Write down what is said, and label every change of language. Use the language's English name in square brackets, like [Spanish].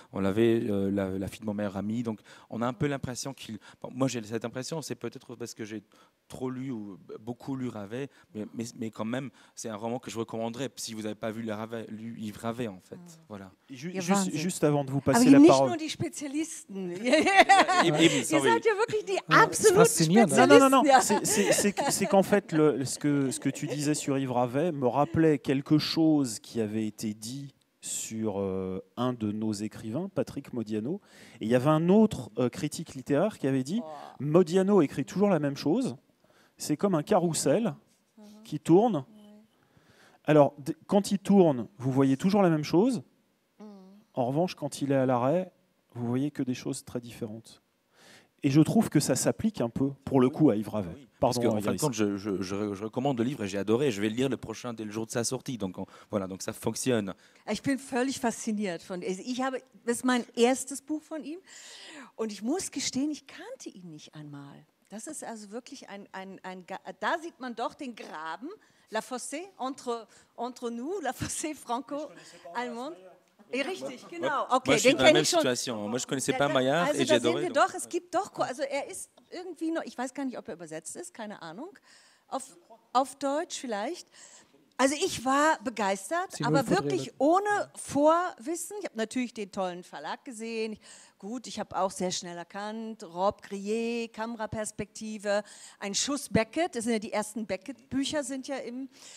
[French] On l'avait la fille de mon meilleur ami. Donc, on a un peu l'impression qu'il... Bon, moi, j'ai cette impression, c'est peut-être parce que j'ai trop lu ou beaucoup lu Ravet, mais quand même, c'est un roman que je recommanderais si vous n'avez pas vu le livre Ravet, en fait. Voilà. Juste avant de vous passer la parole... [German] Nur die Spezialisten. Ihr seid ja wirklich die absoluten Spezialisten. [French] Non. C'est qu'en fait, ce que tu disais sur Yves Ravet me rappelait quelque chose qui avait été dit sur un de nos écrivains, Patrick Modiano. Et il y avait un autre critique littéraire qui avait dit « Modiano écrit toujours la même chose. C'est comme un carrousel qui tourne. Alors, quand il tourne, vous voyez toujours la même chose. En revanche, quand il est à l'arrêt, vous voyez que des choses très différentes. Et je trouve que ça s'applique un peu, pour le coup, à Yves Ravet. Parce qu'en fin de compte, je recommande le livre et j'ai adoré. Je vais le lire le prochain dès le jour de sa sortie. Donc ça fonctionne. [German] Ich bin völlig fasziniert von. Ich habe, das ist mein erstes Buch von ihm. Und ich muss gestehen, ich kannte ihn nicht einmal. Das ist also wirklich ein da sieht man doch den Graben, [French] la fosse entre nous, la fosse franco-allemande. [German] Et richtig, genau. Okay, [French] moi, je suis dans la même situation. Moi, je ne connaissais pas Maillard et j'ai adoré. [German] Doch, es gibt doch, also er ist irgendwie noch, ich weiß gar nicht, ob er übersetzt ist, keine Ahnung, auf Deutsch vielleicht. Also ich war begeistert, aber wirklich ohne Vorwissen. Ich habe natürlich den tollen Verlag gesehen. Gut, ich habe auch sehr schnell erkannt, Rob Grier, Kameraperspektive, ein Schuss Beckett, das sind ja die ersten Beckett-Bücher, sind ja im...